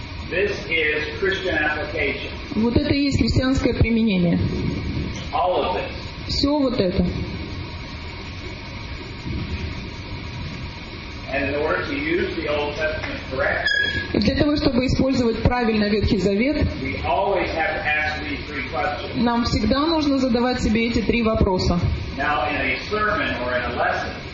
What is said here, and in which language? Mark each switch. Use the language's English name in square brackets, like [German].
[English] This is Christian application. [Russian] Вот это и есть христианское применение. [English] All of this. [Russian] Все вот это. [English] And in order to use the Old Testament correctly, [Russian] для того, чтобы использовать правильно Ветхий Завет, [English] we always have to ask these three questions. [Russian] Нам всегда нужно задавать себе эти три вопроса. [English] Now, in a sermon or in a lesson,